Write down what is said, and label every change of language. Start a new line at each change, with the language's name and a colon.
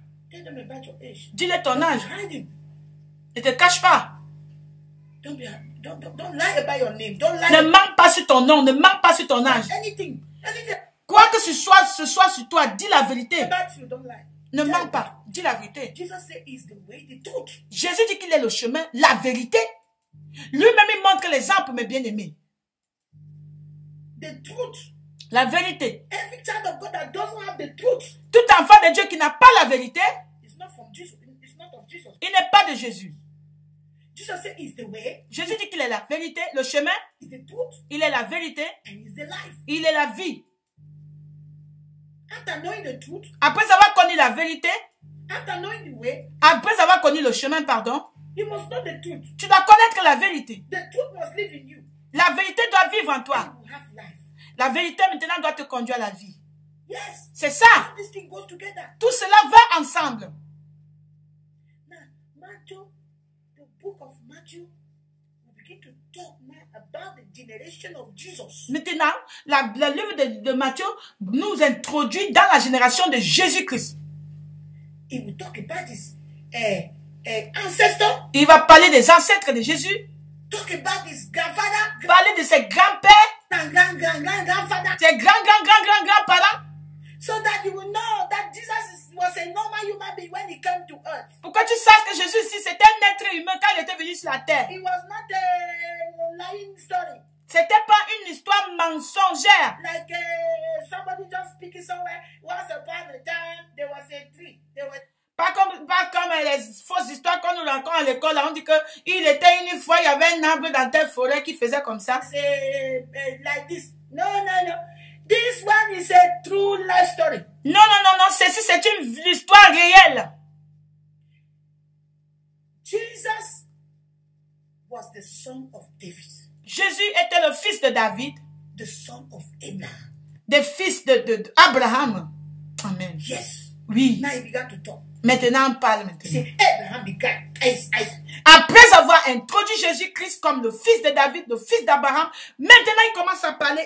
English: Tell them about your age.
French: Dis-le ton
English: don't
French: âge.
English: Hiding.
French: Ne te cache pas.
English: Don't lie about your name. Don't lie.
French: Ne manque pas sur ton nom. Ne manque pas sur ton âge.
English: Anything.
French: Quoi que ce soit sur toi, dis la vérité.
English: About you, don't lie.
French: Ne manque pas. Dis la vérité.
English: Jesus said he's the way, the truth.
French: Jésus dit qu'il est le chemin, la vérité. Lui-même, il montre l'exemple, mes bien-aimés.
English: The truth.
French: La vérité.
English: Every child of God that doesn't have the truth.
French: Tout enfant de Dieu qui n'a pas la vérité.
English: It's not from Jesus. It's not of Jesus.
French: Il n'est pas de Jésus.
English: Jesus said he's the way.
French: Jésus dit qu'il est la vérité, le chemin.
English: He's the truth.
French: Il est la vérité.
English: And he's the life.
French: Il est la vie.
English: After knowing the truth.
French: Après avoir connu la vérité.
English: After knowing the way.
French: Après avoir connu le chemin, pardon.
English: You must know the truth.
French: Tu dois connaître la vérité.
English: The truth must live in you.
French: La vérité doit vivre en toi.
English: And you have life.
French: La vérité maintenant doit te conduire à la vie.
English: Yes.
French: C'est ça.
English: All this thing goes together.
French: Tout cela va ensemble.
English: Now, Matthew, the book of Matthew, we begin to talk now about the generation of Jesus.
French: Maintenant, le livre de Matthieu nous introduit dans la génération de Jésus-Christ.
English: He will talk about his ancestors.
French: Il va parler des ancêtres de Jésus.
English: Talk about his grandfather.
French: Parler de ses grands-pères. Grand-grand-grand-grand-grand-grand-grand-grand-parents.
English: So that you will know that Jesus was a normal human being when he came to earth.
French: Pourquoi tu saches que Jésus, si c'était un être humain quand il était venu sur la terre?
English: It was not a lying story.
French: C'était pas une histoire mensongère.
English: Like somebody just speaking somewhere. Once upon a time, there was a tree. There was
French: Pas comme les fausses histoires qu'on nous raconte à l'école. Là, on dit qu'il était une fois, il y avait un arbre dans telle forêt qui faisait comme ça.
English: C'est like this. No. This one is a true life story.
French: Non. Ceci, c'est une histoire réelle.
English: Jesus was the son of David.
French: Jésus était le fils de David.
English: The son of Abraham.
French: Le fils de Abraham. Amen.
English: Yes.
French: Oui.
English: Now he began to talk.
French: Maintenant, on parle maintenant.
English: C'est Abraham began.
French: Après avoir introduit Jésus-Christ comme le fils de David, le fils d'Abraham, maintenant il commence à parler.